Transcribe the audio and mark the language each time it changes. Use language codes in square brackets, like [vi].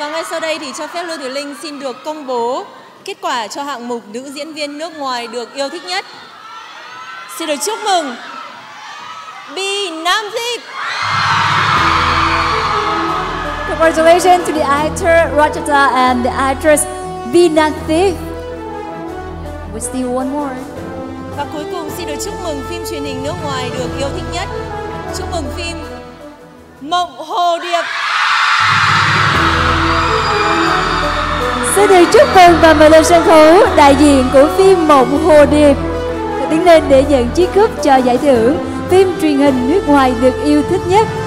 [vi] Sau đây thì cho phép Lương Thùy Linh xin được công bố kết quả cho hạng mục nữ diễn viên nước ngoài được yêu thích nhất. Xin được chúc mừng Bi Nam Dịp. [en] Congratulations to the actor Ratchata and the actress Bi Nam Dịp. We still one more. [vi] Và cuối cùng xin được chúc mừng phim truyền hình nước ngoài được yêu thích nhất. Chúc mừng phim Mộng Hồ Điệp. Xin được chúc mừng và mời lên sân khấu đại diện của phim Mộng Hồ Điệp đứng lên để nhận chiếc cúp cho giải thưởng phim truyền hình nước ngoài được yêu thích nhất.